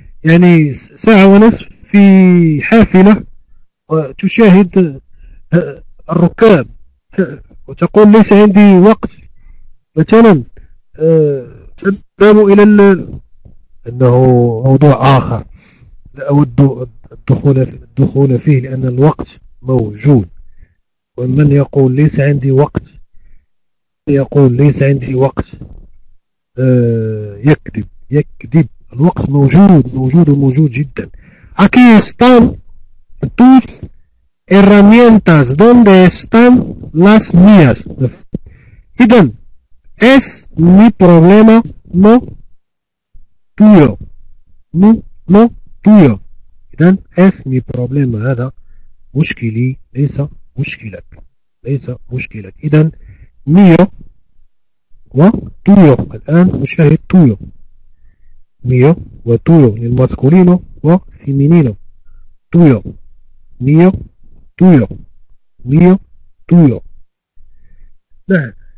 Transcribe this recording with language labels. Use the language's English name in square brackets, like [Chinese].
[Arabic] يعني ساعة ونصف في حافلة وتشاهد الركاب وتقول ليس عندي وقت مثلا، تذهب إلى أنه موضوع آخر لا أود الدخول فيه، لأن الوقت موجود. ومن يقول ليس عندي وقت، يقول ليس عندي وقت، يكذب يكذب. الوقت موجود، موجود وموجود جدا. [Spanish] Aquí están tus herramientas. ¿Dónde están las mías? [Arabic] إذن [Spanish] es mi problema, no tuyo. No, no tuyo. [Arabic] إذن [Spanish] es mi problema. [Arabic] هذا مشكلي، ليس مشكلك، ليس مشكلك. إذن mío و tuyo. الآن نشاهد tuyo. ميو وتويو للماسكولينو وفيمينينو. [Spanish] تويو، ميو، تويو، ميو، تويو. نعم.